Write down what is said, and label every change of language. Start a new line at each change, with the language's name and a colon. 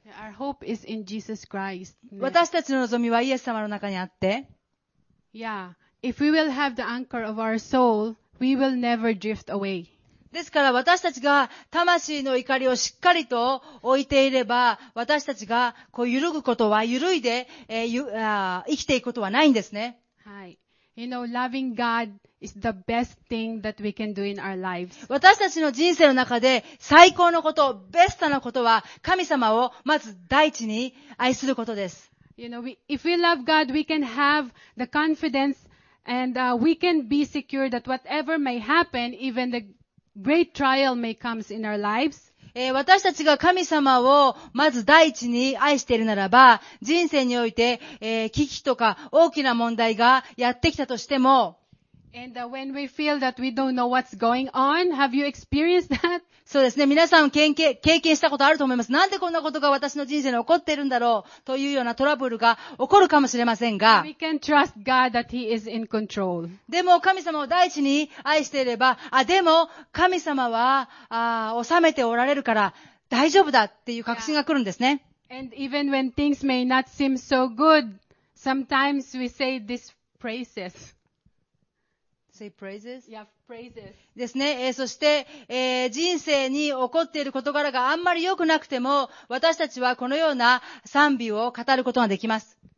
English: Our hope is in Jesus Christ.
Japanese: 私たちの望みはイエス様の中にあって、
English: Yeah, if we will have the anchor of our soul, we will never drift away.
Japanese: ですから私たちが魂の怒りをしっかりと置いていれば、私たちがこう揺るぐことは揺るいで、生きていくことはないんですね。はい。
English: You know, loving God is the best thing that we can do in our lives.
Japanese: 私たちの人生の中で最高のこと、ベストなことは神様をまず第一に愛することです。
English: You know, if we love God, we can have the confidence and we can be secure that whatever may happen, even the great trial may come in our lives.
Japanese: 私たちが神様をまず第一に愛しているならば、人生において、危機とか大きな問題がやってきたとしても、
English: And when we feel that we don't know what's going on, have you experienced that?
Japanese: そうですね。皆さん経験したことあると思います。なんでこんなことが私の人生に起こっているんだろうというようなトラブルが起こるかもしれませんが。
English: We can trust God that He is in control.
Japanese: でも神様を第一に愛していれば、あ、でも神様は、治めておられるから大丈夫だっていう確信が来るんですね。
English: Yeah. And even when things may not seem so good, sometimes we say this praises. Say praises. Yeah, praises.
Japanese: ですね。そして、人生に起こっている事柄があんまり良くなくても、私たちはこのような賛美を語ることができます。